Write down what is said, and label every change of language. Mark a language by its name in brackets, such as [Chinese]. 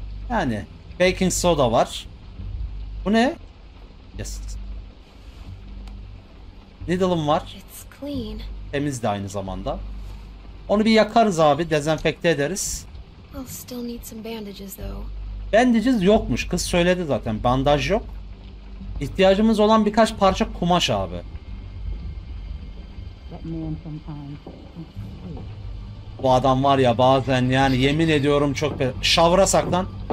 [Turkish] Yani baking soda var. Bu ne? Yes. Needle'ım var. [English] It's clean. [Turkish] Temiz de aynı zamanda. Onu bir yakarız abi, dezenfekte ederiz. [English] I'll still need some bandages though. [Turkish] Bandages yokmuş. Kız söyledi zaten. Bandaj yok. İhtiyacımız olan birkaç parça kumaş abi. Bu adam var ya, bazen yani yemin ediyorum çok şavrasak lan.